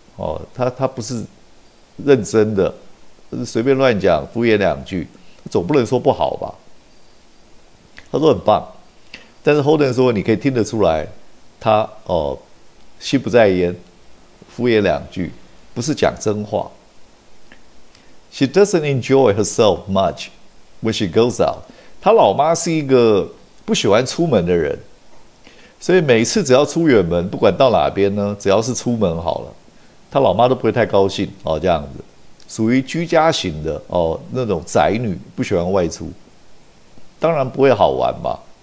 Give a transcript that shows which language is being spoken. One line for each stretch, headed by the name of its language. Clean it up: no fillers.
Chinese: 哦，他不是认真的，随便乱讲，敷衍两句，总不能说不好吧？他说很棒，但是 Holden 说你可以听得出来，他哦。心不在焉，敷衍两句，不是讲真话。
English: She doesn't enjoy herself much when she goes out。
Chinese: 她老妈是一个不喜欢出门的人，所以每次只要出远门，不管到哪边呢，只要是出门好了，她老妈都不会太高兴哦。这样子，属于居家型的哦，那种宅女不喜欢外出，当然不会好玩嘛。